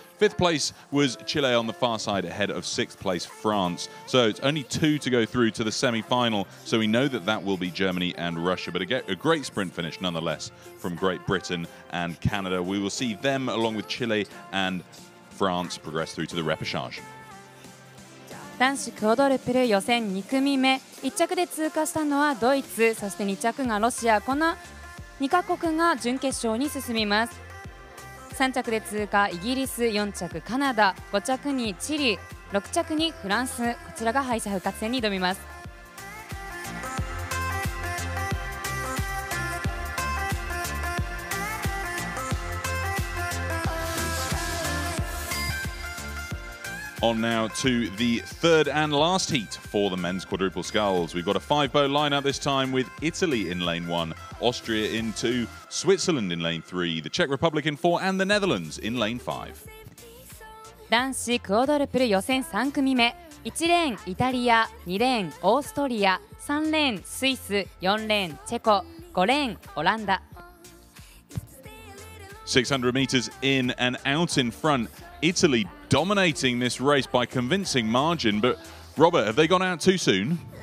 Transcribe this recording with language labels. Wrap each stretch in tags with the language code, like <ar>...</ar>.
<en>Fifth place was Chile on the far side ahead of sixth place France. So it's only two to go through to the semi-final. So we know that that will be Germany and Russia. But a great sprint finish nonetheless from Great Britain and Canada. We will see them along with Chile and France progress through to the repêchage.</en> <ja>男子クオドルプル予選2組目。1着で通過したのはドイツ、そして2着がロシア。この2カ国が準決勝に進みます。 3着で通過イギリス、4着カナダ、5着にチリ、6着にフランス、こちらが敗者復活戦に挑みます。</ja> <en>On now to the third and last heat for the men's quadruple sculls. We've got a five-boat lineup this time with Italy in lane one, Austria in two, Switzerland in lane three, the Czech Republic in four, and the Netherlands in lane five.</en> <ja>男子クオドルプル予選3組目。1レーンイタリア、2レーンオーストリア、3レーンスイス、4レーンチェコ、5レーンオランダ。</ja> <en>600 meters in and out in front, Italy dominating this race by convincing margin. But Robert, have they gone out too soon?</en>